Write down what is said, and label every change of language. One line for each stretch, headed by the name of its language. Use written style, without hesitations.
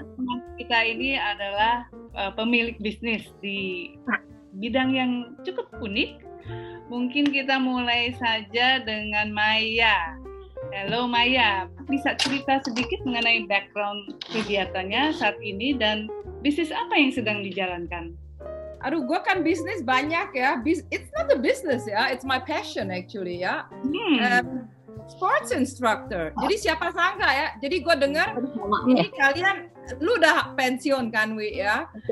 Indonesian: Teman kita ini adalah pemilik bisnis di bidang yang cukup unik. Mungkin kita mulai saja dengan Maya. Halo Maya, bisa cerita sedikit mengenai background kegiatannya saat ini dan bisnis apa yang sedang dijalankan? Aduh, gue kan bisnis banyak ya.
English: It's not a business ya, it's my passion actually ya. Sports instructor.
Indonesian: Jadi siapa sangka ya. Jadi gue dengar ini kalian, lu udah pensiun kan Wi ya.